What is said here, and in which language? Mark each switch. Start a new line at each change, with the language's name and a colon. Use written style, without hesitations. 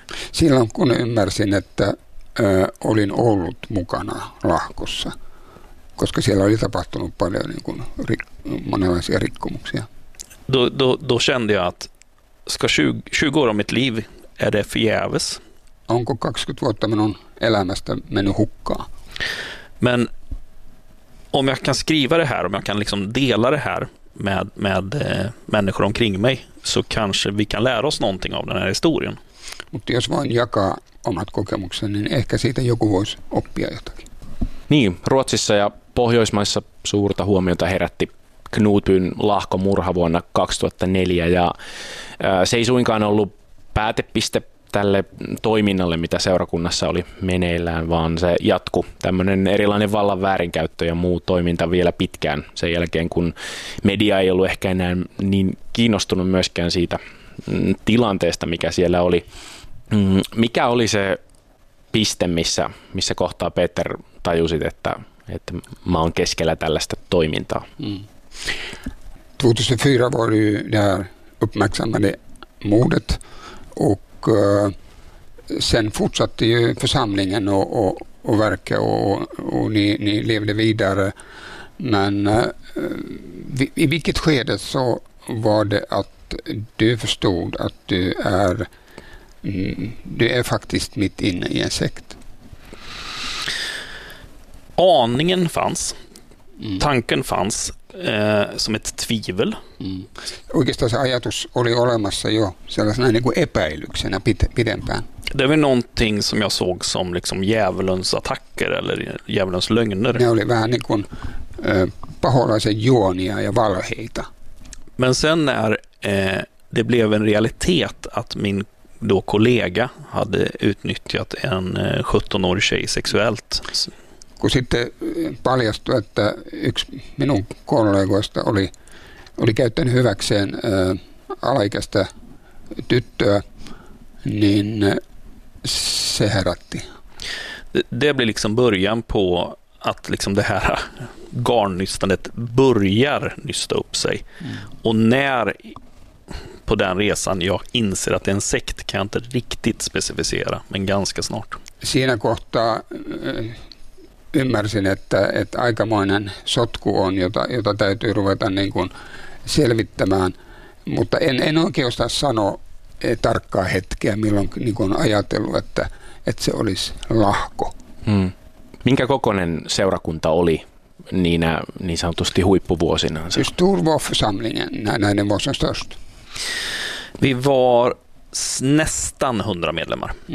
Finnish: Silloin kun ymmärsin, että olin ollut mukana lahkossa, koska siellä oli tapahtunut paljon niin kuin monenlaisia rikkomuksia.
Swedish: Då kände jag att ska 20 år av mitt liv är det förgäves.
Finnish: Onko 20 vuotta minun elämästä mennyt hukkaan?
Swedish: Men om jag kan skriva det här, om jag kan liksom dela det här med människor omkring mig, så kanske vi kan lära oss någonting av den här historien.
Finnish: Mutta jos vain jakaa omat kokemukset, niin ehkä siitä joku voisi oppia jotakin. Niin, Ruotsissa ja Pohjoismaissa suurta huomiota herätti Knutbyn lahkomurha vuonna 2004, ja se ei suinkaan ollut päätepiste tälle toiminnalle, mitä seurakunnassa oli meneillään, vaan se jatkui tämmöinen erilainen vallan väärinkäyttö ja muu toiminta vielä pitkään sen jälkeen, kun media ei ollut ehkä enää niin kiinnostunut myöskään siitä tilanteesta, mikä siellä oli. Mikä oli se piste, missä kohtaa Peter tajusit, että mä oon keskellä tällaista toimintaa?
Swedish: 2004 var det ju det här uppmärksammade mordet, och sen fortsatte ju församlingen och verka och ni levde vidare, men i vilket skede så var det att du förstod att du är faktiskt mitt inne i en sekt? Aningen fanns, tanken fanns, som ett tvivel.
Finnish: Oikeastaan se ajatus oli olemassa jo sellaisena niin kuin epäilyksenä pidempään.
Swedish: Det var någonting som jag såg som liksom djävulens attacker eller djävulens lögner.
Finnish: Ne oli vähän niin kuin paholaisen juonia ja valheita.
Swedish: Men sen när det blev en realitet att min då kollega hade utnyttjat en 17-årig tjej sexuellt.
Finnish: Kun sitten paljastui, että yksi minun kollegoista oli käyttänyt hyväkseen alaikäistä tyttöä, niin se herätti.
Swedish: Det blir liksom början på att liksom det här garnnystandet börjar nysta upp sig. Mm. Och när på den resan jag inser att det är en sekt, kan jag inte riktigt specificera, men ganska snart.
Finnish: Siinä kohtaa ymmärsin, että aikamoinen sotku on, jota täytyy ruveta niin kuin selvittämään, mutta en oikein osaa sanoa tarkkaa hetkeä, milloin niin kuin ajatellut, että se olisi lahko. Minkä kokoinen seurakunta oli niinä niin sanotusti huippuvuosinansa?
Swedish: Stor var församlingen, näiden var som störst. Vi var nästan 100 medlemmar.